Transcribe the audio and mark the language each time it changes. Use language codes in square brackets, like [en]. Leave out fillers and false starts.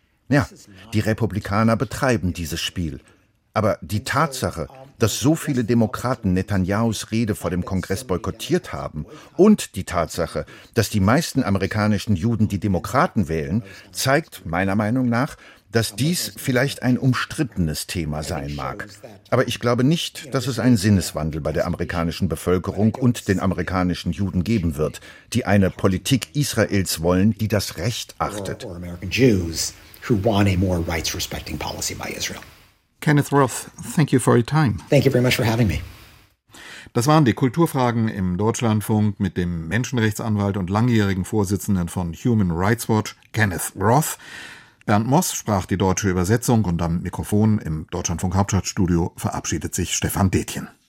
[de] Ja, die Republikaner betreiben dieses Spiel. Aber die Tatsache, dass so viele Demokraten Netanjahus Rede vor dem Kongress boykottiert haben und die Tatsache, dass die meisten amerikanischen Juden die Demokraten wählen, zeigt meiner Meinung nach, dass dies vielleicht ein umstrittenes Thema sein mag. Aber ich glaube nicht, dass es einen Sinneswandel bei der amerikanischen Bevölkerung und den amerikanischen Juden geben wird, die eine Politik Israels wollen, die das Recht achtet. [en] Kenneth Roth, thank you for your time. Thank you very much for having me. [de] Das waren die Kulturfragen im Deutschlandfunk mit dem Menschenrechtsanwalt und langjährigen Vorsitzenden von Human Rights Watch, Kenneth Roth. Bernd Moss sprach die deutsche Übersetzung und am Mikrofon im Deutschlandfunk Hauptstadtstudio verabschiedet sich Stefan Detjen.